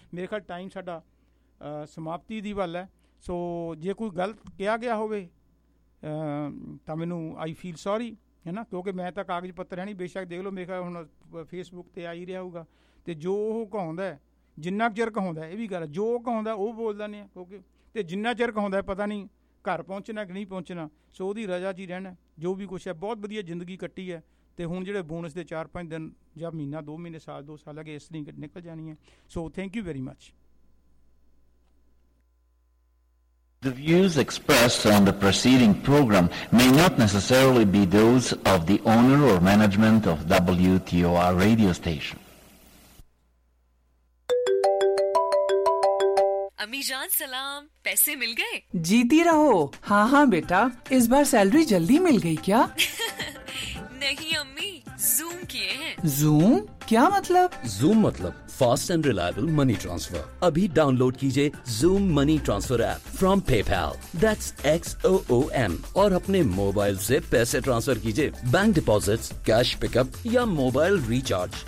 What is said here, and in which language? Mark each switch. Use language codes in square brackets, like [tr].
[pa] ਮੇਰੇ ਖਿਆਲ ਟਾਈਮ ਸਾਡਾ ਸਮਾਪਤੀ ਦੀ ਵੱਲ ਹੈ। ਸੋ ਜੇ ਕੋਈ ਗਲਤ ਕਿਹਾ ਗਿਆ ਹੋਵੇ ਤਾਂ ਮੈਨੂੰ [en] I feel sorry, [pa] ਹੈ ਨਾ, ਕਿਉਂਕਿ ਮੈਂ ਤਾਂ ਕਾਗਜ਼ ਪੱਤਰ ਹੈ ਨਹੀਂ, ਬੇਸ਼ੱਕ ਦੇਖ ਲਓ ਮੇਰੇ ਖਿਆਲ ਹੁਣ ਫੇਸਬੁੱਕ 'ਤੇ ਆ ਹੀ ਰਿਹਾ ਹੋਊਗਾ, ਅਤੇ ਜੋ ਉਹ ਕਹਾਉਂਦਾ ਜਿੰਨਾ ਚਿਰ ਕਹਾਉਂਦਾ, ਇਹ ਵੀ ਗੱਲ, ਜੋ ਉਹ ਕਹਾਉਂਦਾ ਉਹ ਬੋਲ ਦਿੰਦੇ ਹਾਂ, ਕਿਉਂਕਿ ਅਤੇ ਜਿੰਨਾ ਚਿਰ ਕਹਾਉਂਦਾ ਪਤਾ ਨਹੀਂ ਘਰ ਪਹੁੰਚਣਾ ਕਿ ਨਹੀਂ ਪਹੁੰਚਣਾ। ਸੋ ਉਹਦੀ ਰਜ਼ਾ 'ਚ ਹੀ ਰਹਿਣਾ, ਜੋ ਵੀ ਕੁਛ ਹੈ। ਬਹੁਤ ਵਧੀਆ ਜ਼ਿੰਦਗੀ ਕੱਟੀ ਹੈ, ਅਤੇ ਹੁਣ ਜਿਹੜੇ ਬੋਨਸ ਦੇ 4-5 ਦਿਨ ਜਾਂ ਮਹੀਨਾ 2 ਮਹੀਨੇ ਸਾਲ 2 ਸਾਲ ਹੈਗੇ, ਇਸ ਲਈ ਨਿਕਲ ਜਾਣੀ ਹੈ। [en] So thank you very much. The views expressed on the preceding program may not necessarily be those of the owner or management of WTOR radio station. [hi] अम्मी जान सलाम, पैसे मिल गए? जीती रहो। हाँ हाँ बेटा, इस बार सैलरी जल्दी मिल गई क्या? नहीं अम्मी, जूम किए हैं। जूम क्या मतलब? जूम मतलब [en] Fast and reliable money transfer. [hi] अभी डाउनलोड कीजिए zoom money transfer app [en] from PayPal, that's XOOM, [hi] और अपने मोबाइल से पैसे ट्रांसफर कीजिए, बैंक डिपॉजिट्स, कैश पिकअप या मोबाइल रिचार्ज।